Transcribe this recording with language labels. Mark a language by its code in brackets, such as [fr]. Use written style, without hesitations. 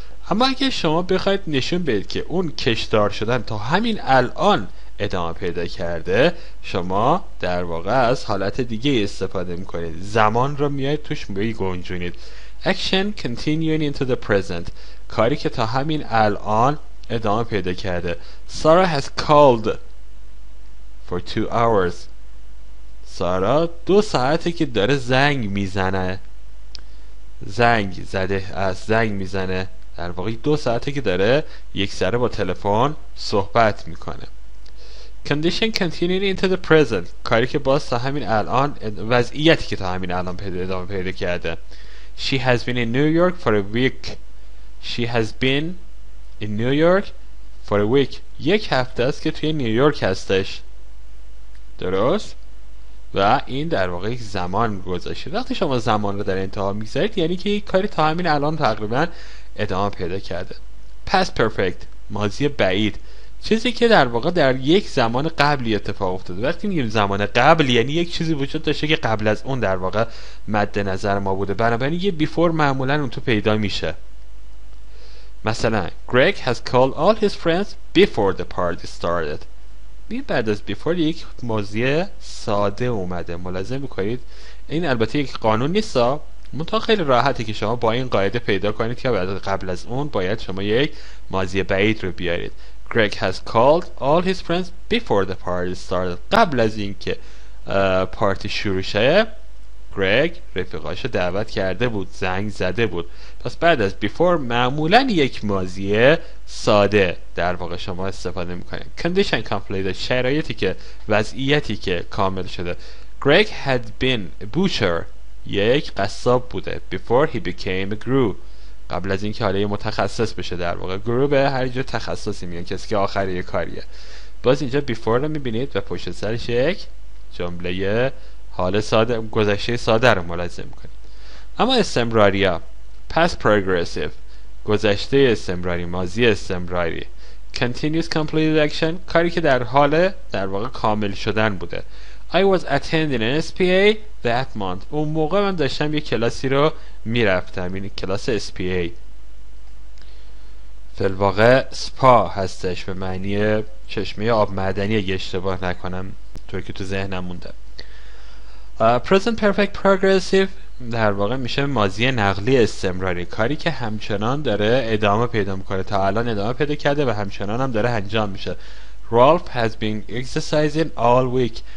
[fa] اما اگه شما بخواید نشون بدید که اون کشدار شدن تا همین الان ادامه پیدا کرده، شما در واقع از حالت دیگه استفاده میکنید، زمان رو میاید توش میگنجونید. [en] Action continuing into the present، [fa] کاری که تا همین الان ادامه پیدا کرده. [en] Sarah has called for 2 hours. [fa] سارا 2 ساعته که داره زنگ میزنه، زنگ زده از زنگ میزنه، در واقع 2 ساعته که داره یک سره با تلفن صحبت میکنه. [en] Condition continuing into the present، [fa] کاری که باز تا همین الان، وضعیتی که تا همین الان ادامه پیدا کرده. [en] She has been in New York for a week. She has been in New York for a week. [fa] یک هفته است که توی نیویورک هستش، درست؟ و این در واقع یک زمان گذشته. وقتی شما زمان رو در انتها میگذارید، یعنی که یک کاری تا همین الان تقریبا ادامه پیدا کرده. Past perfect، ماضی بعید، چیزی که در واقع در یک زمان قبلی اتفاق افتاده. وقتی میگیم زمان قبل، یعنی یک چیزی وجود داشته که قبل از اون در واقع مد نظر ما بوده، بنابراین یه بیفور معمولا اون تو پیدا میشه. [en] مثلا Greg has called all his friends before the party started. [fa] بعد از بیفور یک ماضی ساده اومده. ملاحظه میکنید این البته یک قانون نیست، منتها خیلی راحته که شما با این قاعده پیدا کنید که بعد قبل از اون باید شما یک ماضی بعید رو بیارید. [en] Greg has called all his friends before the party started. [fa] قبل از اینکه پارتی شروع شه، Greg رفیقاشو دعوت کرده بود، زنگ زده بود. پس بعد از before معمولا یک ماضی ساده در واقع شما استفاده میکنید. [en] Condition completed، [fa] شرایطی که، وضعیتی که کامل شده. [en] Greg had been a butcher، [fa] یک قصاب بوده. [en] Before he became a guru، [fa] قبل از اینکه حالا یه متخصص بشه در واقع. گرو به هر جور تخصصی میگن، کسی که آخر یه کاریه. باز اینجا before رو میبینید و پشت سرش یک جمله حال ساده، گذشته ساده رو ملاحظه میکنید. اما استمراریا، past progressive، گذشته استمراری، ماضی استمراری. [en] continuous completed action، [fa] کاری که در حال در واقع کامل شدن بوده. [en] I was attending an SPA that month. [fa] اون موقع من داشتم یک کلاسی رو میرفتم، این کلاس SPA فلواقع سپا هستش به معنی چشمه آب معدنی، اگه اشتباه نکنم، طور که تو ذهنم مونده. Present perfect progressive در واقع میشه ماضی نقلی استمراری، کاری که همچنان داره ادامه پیدا میکنه، تا الان ادامه پیدا کرده و همچنان هم داره انجام میشه. [en] Ralph has been exercising all week.